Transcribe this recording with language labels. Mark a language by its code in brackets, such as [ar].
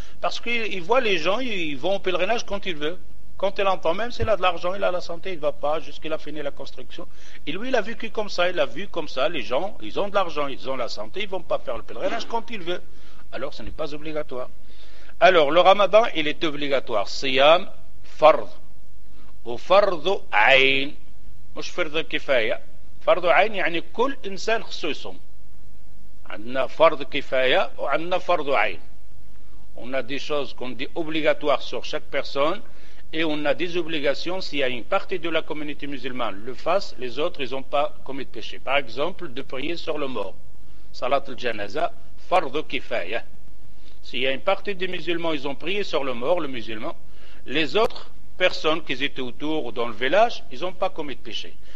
[fr] Parce qu'il voit les gens, ils vont au pèlerinage quand il veut. Quand il entend même, s'il a de l'argent, il a la santé, il ne va pas jusqu'à finir la construction. Et lui, il a vécu comme ça, les gens, ils ont de l'argent, ils ont la santé, ils ne vont pas faire le pèlerinage quand il veut. Alors, ce n'est pas obligatoire. Alors, le ramadan, il est obligatoire. Siyam, fard. [ar] وفرض عين مش فرض كفاية، فرض عين يعني كل إنسان خصوصهم. عندنا فرض كفاية وعندنا فرض عين. [fr] On a des choses qu'on dit obligatoires sur chaque personne et on a des obligations si une partie de la communauté musulmane le fasse, les autres ils n'ont pas commis de péché. Par exemple, de prier sur le mort. Salat al-janaza, [ar] فرض كفاية. [fr] Si une partie des musulmans ils ont prié sur le mort, le musulman, les autres personnes qui étaient autour ou dans le village, ils n'ont pas commis de péché.